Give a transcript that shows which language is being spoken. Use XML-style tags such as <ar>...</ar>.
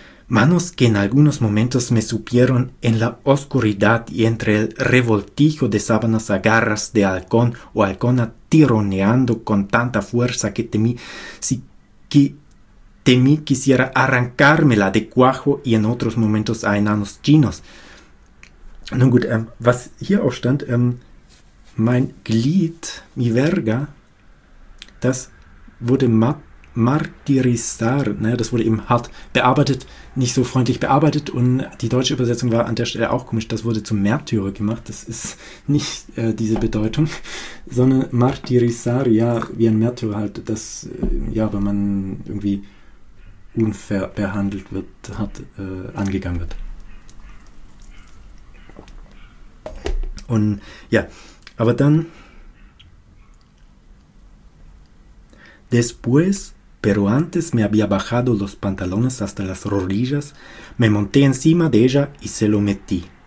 <es>Manos que en algunos momentos me supieron en la oscuridad y entre el revoltijo de sábanas a garras de halcón o halcona tironeando con tanta fuerza que temí quisiera arrancármela de cuajo y en otros momentos a enanos chinos.</es> <de>Nun gut, was hier auch stand, mein Glied,</de> <es>mi verga,</es> <de>das wurde Martirisar, naja, das wurde eben hart bearbeitet, nicht so freundlich bearbeitet, und die deutsche Übersetzung war an der Stelle auch komisch, das wurde zum Märtyrer gemacht, das ist nicht diese Bedeutung, sondern Martirisar, ja, wie ein Märtyrer halt, das, ja, wenn man irgendwie unfair behandelt wird, hart angegangen wird. Und ja, aber dann</de> <es>después, pero antes me había bajado los pantalones hasta las rodillas, me monté encima de ella y se lo metí.</es>